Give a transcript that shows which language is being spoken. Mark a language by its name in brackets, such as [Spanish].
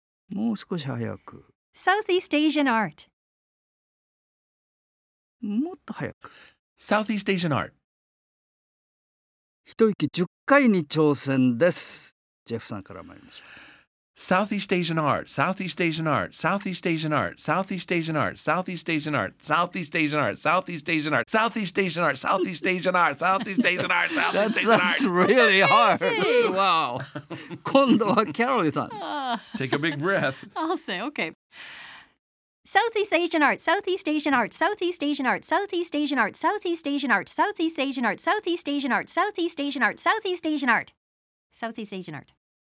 [Japanese] もう少し早く [English] Southeast Asian Art、 [Japanese] もっと早く [English] Southeast Asian Art。 [Japanese] 一息10回に挑戦です。ジェフさんから参りましょう。 [English] Southeast Asian Art, Southeast Asian Art, Southeast Asian Art, Southeast Asian Art, Southeast Asian Art, Southeast Asian Art, Southeast Asian Art, Southeast Asian Art, Southeast Asian Art, Southeast Asian Art, Southeast Asian Art, Southeast Asian Art. That's really hard. Wow. [Japanese] 今度はキャロリーさん。 [English] Take a big breath. I'll say, okay. Southeast Asian Art, Southeast Asian Art, Southeast Asian Art, Southeast Asian Art, Southeast Asian Art, Southeast Asian Art, Southeast Asian Art, Southeast Asian Art, Southeast Asian Art, Southeast Asian Art.